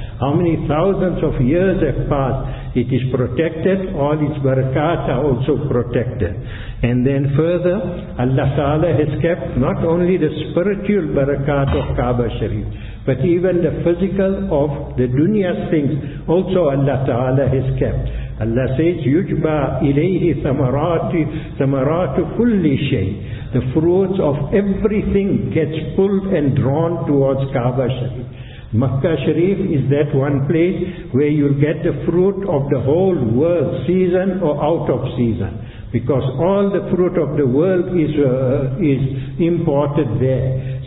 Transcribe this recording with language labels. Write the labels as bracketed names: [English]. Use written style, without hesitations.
[English] How many thousands of years have passed, it is protected, all its barakat are also protected. And then further, Allah Ta'ala has kept not only the spiritual barakat of Kaaba Sharif, but even the physical of the dunya's things also Allah Ta'ala has kept. Allah says, [Arabic] يُجْبَى إِلَيْهِ ثَمَرَاتُ كُلِّ شَيْءٍ. [English] The fruits of everything gets pulled and drawn towards Kaaba Sharif. Makkah Sharif is that one place where you'll get the fruit of the whole world, season or out of season. Because all the fruit of the world is imported there.